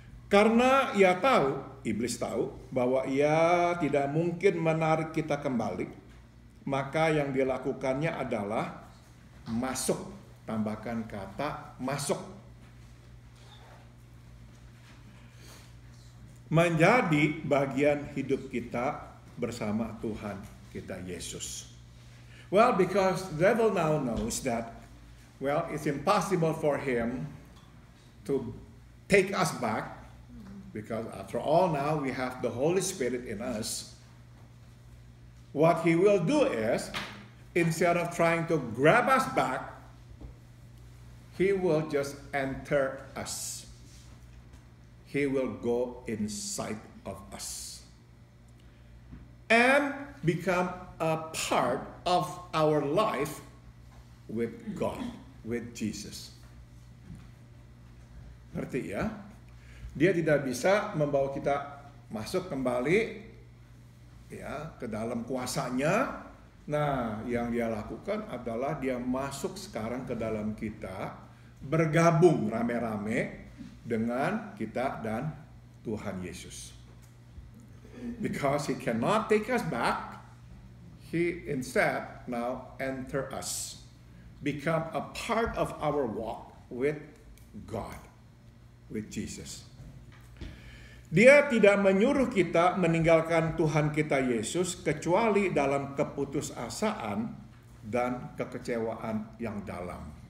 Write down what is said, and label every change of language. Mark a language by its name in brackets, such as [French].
[Indonesian] Karena ia tahu, iblis tahu, bahwa ia tidak mungkin menarik kita kembali, maka yang dilakukannya adalah masuk. Tambahkan kata masuk. Menjadi bagian hidup kita bersama Tuhan kita Yesus. [English] Well, because the devil now knows that, well, it's impossible for him to take us back, because after all, now we have the Holy Spirit in us. What he will do is, instead of trying to grab us back, he will just enter us. He will go inside of us and become a part of our life with God, with Jesus. [Indonesian] Ngerti ya? Dia tidak bisa membawa kita masuk kembali ya ke dalam kuasanya. Nah, yang dia lakukan adalah dia masuk sekarang ke dalam kita, bergabung rame-rame dengan kita dan Tuhan Yesus. [English] Because he cannot take us back, he instead now enter us, become a part of our walk with God, with Jesus. [Indonesian] Dia tidak menyuruh kita meninggalkan Tuhan kita Yesus kecuali dalam keputusasaan dan kekecewaan yang dalam.